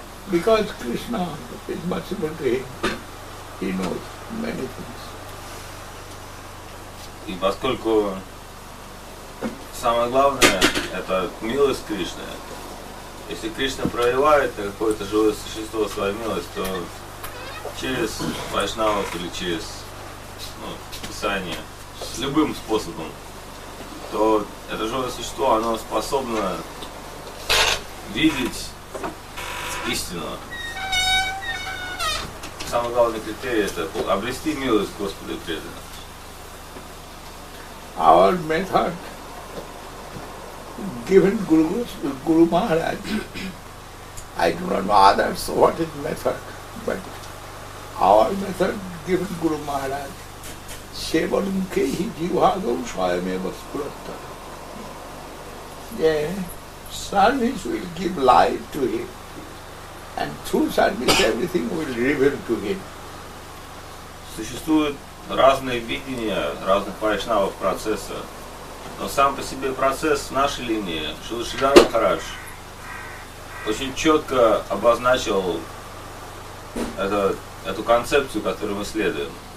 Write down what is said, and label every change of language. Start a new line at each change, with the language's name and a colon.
English: Because Krishna is merciful to him, he knows many things.
Russian: И поскольку самое главное – это милость Кришны, если Кришна проявляет какое-то живое существо свою милость, то через вайшнавов или через Писание, любым способом, то это живое существо, оно способно видеть истину. Самый главный критерий – это обрести милость Господа Кришны.
English: Our method given Guru Maharaj, I do not know others what is method, but our method given Guru Maharaj,
Sanskrit: Sevanam Kehi Jivhagam Swayameva Spurattva.
English: Yeah, service will give life to him. And through service, everything will reveal to him.
Russian: Существуют разные видения разных вайшнавов процесса, но сам по себе процесс в нашей линии Шрила Шридхар Махарадж очень четко обозначил эту концепцию, которую мы следуем.